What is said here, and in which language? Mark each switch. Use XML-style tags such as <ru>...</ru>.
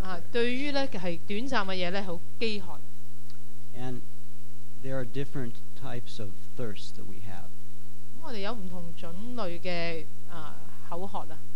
<zh>对于是短暂的东西很饥渴。</zh> <en>And there are different types of thirst that we have.</en> <zh>我们有不同种类的口渴。</zh>